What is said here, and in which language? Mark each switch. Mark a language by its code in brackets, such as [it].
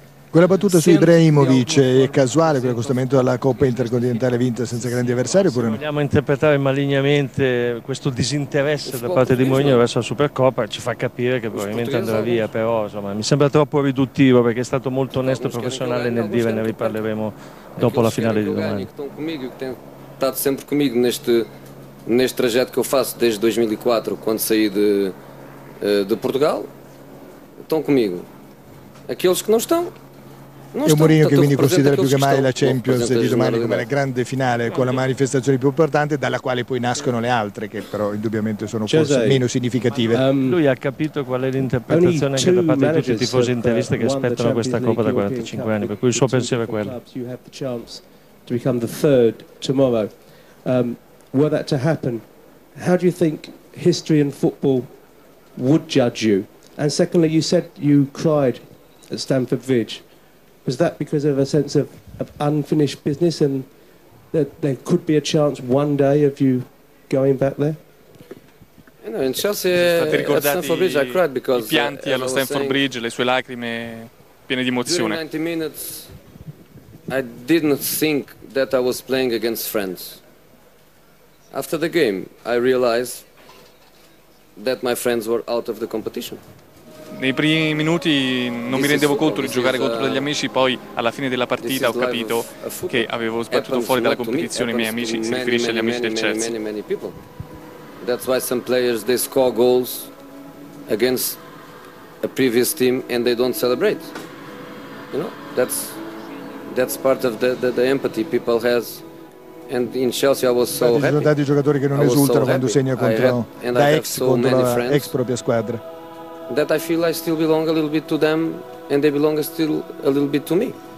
[it] Quella battuta su Ibrahimovic è casuale, quello accostamento alla Coppa Intercontinentale vinta senza grandi avversari? Oppure no? Se vogliamo interpretare malignamente questo disinteresse da parte di Mourinho verso la Supercoppa, ci fa capire che probabilmente andrà via, però insomma, mi sembra troppo riduttivo, perché è stato molto onesto e professionale nel dire, ne riparleremo dopo la finale di domani. [pt] Stato sempre comigo neste trajeto che eu faço desde 2004, quando saí de Portugal, estão comigo. Aqueles que não estão, [it] e o Mourinho che quindi considera più che mai la Champions di domani come la grande finale, con la manifestazione più importante, dalla quale poi nascono le altre, che però indubbiamente sono forse meno significative. Lui ha capito qual è l'interpretazione anche da parte di tutti i tifosi interisti che aspettano questa Coppa da 45 anni, per cui il suo pensiero è quello. [en] To become the third tomorrow. Were that to happen, how do you think history and football would judge you? And secondly, you said you cried at Stamford Bridge. Was that because of a sense of unfinished business and that there could be a chance one day of you going back there? No, in Chelsea, at Stamford Bridge, I cried because... [it] I pianti allo Stamford Bridge, le sue lacrime piene di emozione. [en] During 90 minutes, I didn't think that I was playing against friends. After the game, I realized that my friends were out of the competition. [it] Nei primi minuti non mi rendevo conto di giocare contro degli amici, poi alla fine della partita ho capito che avevo sbattuto fuori dalla competizione i miei amici, si riferisce agli amici del Chelsea. [en] That's why some players, they score goals against a previous team and they don't celebrate. You know, that's part of the empathy people has. And in Chelsea I was so happy. [it] Ci sono tanti giocatori che non esultano quando segna contro da ex, contro la ex propria squadra. [en] That I feel I still belong a little bit to them and they belong still a little bit to me.